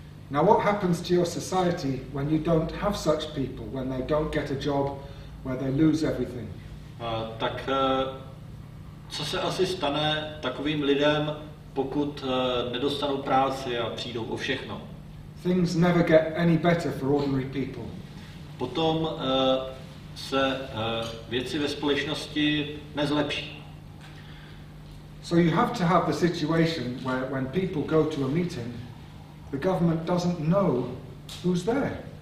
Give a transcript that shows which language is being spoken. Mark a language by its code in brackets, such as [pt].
[en] Now what happens to your society when you don't have such people, when they don't get a job, where they lose everything? [cs] Tak co se asi stane takovým lidem, pokud nedostanou práci a přijdou o všechno? [en] Things never get any better for ordinary people. [cs] Potom se věci ve společnosti nezlepší. [en] So you have to have the situation where when people go to a meeting, the government doesn't know who's there.